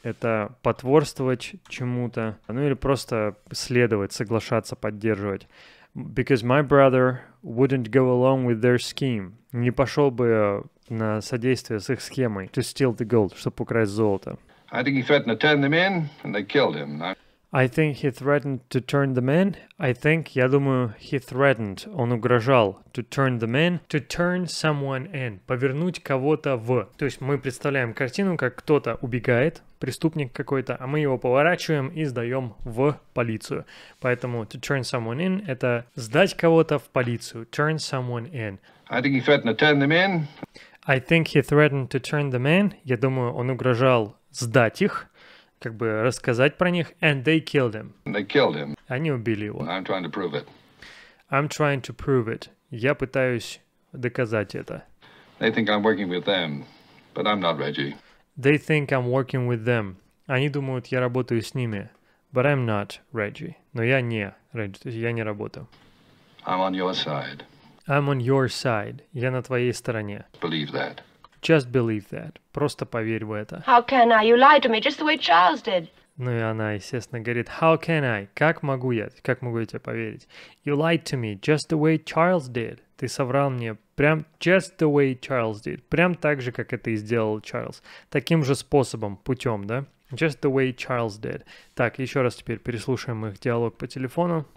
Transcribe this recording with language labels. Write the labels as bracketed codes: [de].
[ru] Это потворствовать чему-то. Ну или просто следовать, соглашаться, поддерживать. [en] Because my brother wouldn't go along with their scheme. [ru] Не пошел бы на содействие с их схемой. [en] To steal the gold, [ru] чтобы украсть золото. [en] I think he threatened to turn them in and they killed him. I think he threatened to turn them in. I think, [ru] я думаю, [en] he threatened, [ru] он угрожал, [en] to turn them in, to turn someone in, [ru] повернуть кого-то в. То есть мы представляем картину, как кто-то убегает, преступник какой-то, а мы его поворачиваем и сдаем в полицию. Поэтому [en] to turn someone in [ru] — это сдать кого-то в полицию, turn someone in. [en] I think he threatened to turn them in. I think he threatened to turn them in. [ru] Я думаю, он угрожал сдать их, как бы рассказать про них, [en] and they killed him. They killed him. [ru] Они убили его. [en] I'm trying to prove it. I'm trying to prove it. [ru] Я пытаюсь доказать это. [en] They think I'm working with them, but I'm not Reggie. They think I'm working with them. [ru] Они думают, я работаю с ними, [en] but I'm not Reggie. [ru] Но я не Reggie, то есть я не работаю. [en] I'm on your side. I'm on your side. [ru] Я на твоей стороне. [en] Believe that. Just believe that. [ru] Просто поверь в это. [en] How can I? You lied to me just the way Charles did. [ru] Ну и она, естественно, говорит, [en] how can I? [ru] Как могу я тебе поверить? [en] You lied to me just the way Charles did. [ru] Ты соврал мне прям [en] just the way Charles did. [ru] Прям так же, как это и сделал Чарльз. Таким же способом, путем, да? [en] Just the way Charles did. [ru] Так, еще раз теперь переслушаем их диалог по телефону.